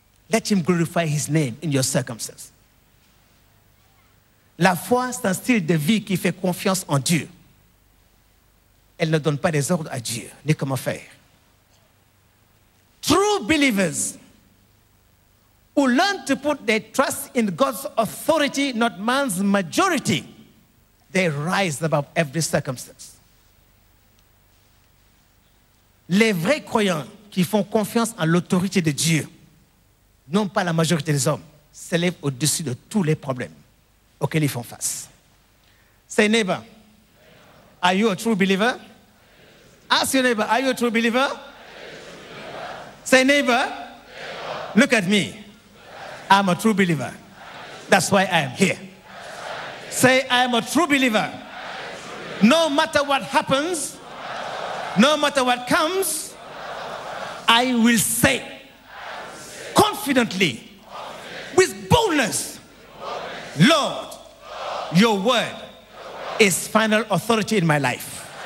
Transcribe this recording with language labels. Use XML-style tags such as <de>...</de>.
<en>Let him glorify his name in your circumstances.</en> <fr>La foi, c'est un style de vie qui fait confiance en Dieu. Elle ne donne pas des ordres à Dieu, ni comment faire.</fr> <en>True believers who learn to put their trust in God's authority, not man's majority, they rise above every circumstance.</en> <fr>Les vrais croyants qui font confiance en l'autorité de Dieu, non pas la majorité des hommes, s'élèvent au-dessus de tous les problèmes auxquels ils font face.</fr> <en>Say, neighbor, are you a true believer? Ask your neighbor, are you a true believer? Say, neighbor, look at me. I'm a true believer. That's why I am here. Say, I am a true believer. No matter what happens, no matter what comes, I will say confidently, with boldness, Lord, your word is final authority in my life.</en>